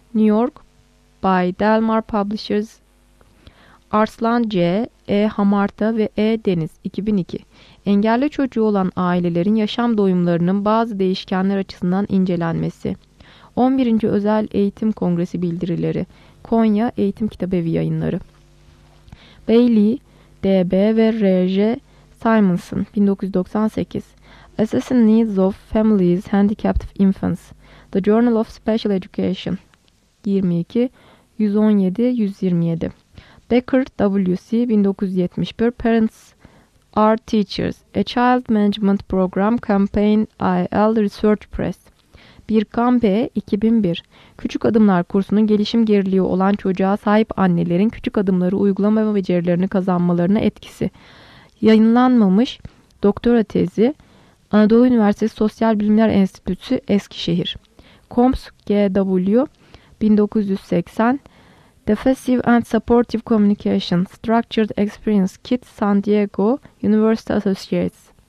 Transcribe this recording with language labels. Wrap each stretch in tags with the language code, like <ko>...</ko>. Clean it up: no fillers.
<en>New York by Delmar Publishers.</en> <tr>Arslan C., E. Hamarta ve E. Deniz, 2002. Engelli çocuğu olan ailelerin yaşam doyumlarının bazı değişkenler açısından incelenmesi. 11. Özel Eğitim Kongresi Bildirileri. Konya Eğitim Kitabevi Yayınları. Bailey, D.B. ve R.J. Simonson, 1998.</tr> <en>Assessing Needs of Families Handicapped Infants. The Journal of Special Education. 22, 117-127. Becker W.C. 1971. Parents are Teachers. A Child Management Program Campaign IL Research Press. Birkan B. 2001.</en> <tr>Küçük Adımlar kursunun gelişim geriliği olan çocuğa sahip annelerin küçük adımları uygulama becerilerini kazanmalarına etkisi. Yayınlanmamış doktora tezi. Anadolu Üniversitesi Sosyal Bilimler Enstitüsü Eskişehir.</tr> <en>Combs G.W. 1980, Defensive and Supportive Communication, Structured Experience Kit, San Diego University Associates.</en>